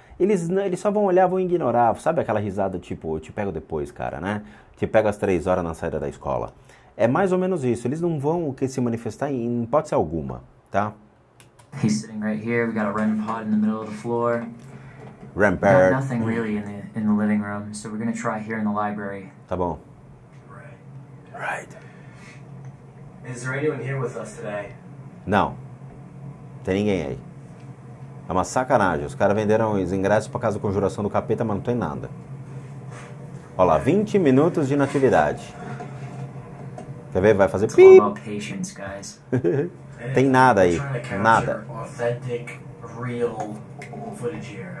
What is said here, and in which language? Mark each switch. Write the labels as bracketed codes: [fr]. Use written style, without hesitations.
[pt] Eles só vão olhar, vão ignorar. Sabe aquela risada tipo, eu te pego depois, cara, né? Te pego às 3 horas na saída da escola. É mais ou menos isso. Eles não vão se manifestar em hipótese alguma, tá? [en] He's sitting right here. We got a REM pod in the middle of the floor. REM pod. We got nothing really in the living room. So we're going to try here in the library. [pt] Tá bom. [en] Right. Is there anyone here with us today? [pt] Não. Tem ninguém aí. É uma sacanagem. Os caras venderam os ingressos pra casa da Conjuração do Capeta, mas não tem nada. Olha lá, 20 minutos de inatividade. Quer ver? Vai fazer pip. [en] It's all about patience, guys. [pt] Tem nada aí. Nada. [en] Authentic, real footage here.